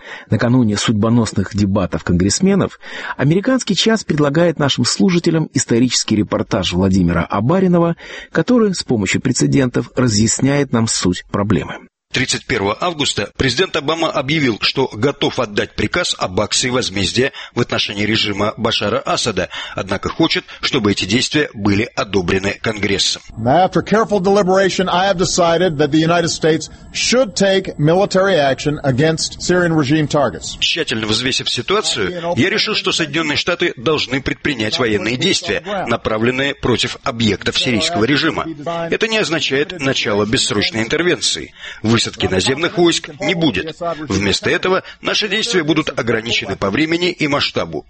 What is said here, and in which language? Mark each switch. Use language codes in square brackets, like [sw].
[ru] Накануне судьбоносных дебатов конгрессменов «Американский час» предлагает нашим слушателям исторический репортаж Владимира Абаринова, который с помощью прецедентов разъясняет нам суть проблемы. 31 августа президент Обама объявил, что готов отдать приказ об акции возмездия в отношении режима Башара Асада, однако хочет, чтобы эти действия были одобрены Конгрессом. [en] After careful deliberation, I have decided that the United States should take military action against Syrian regime targets. [ru] Тщательно взвесив ситуацию, я решил, что Соединенные Штаты должны предпринять военные действия, направленные против объектов сирийского режима. Это не означает начало бессрочной интервенции. Высадки наземных войск не будет. Вместо этого наши действия будут ограничены по времени и масштабу.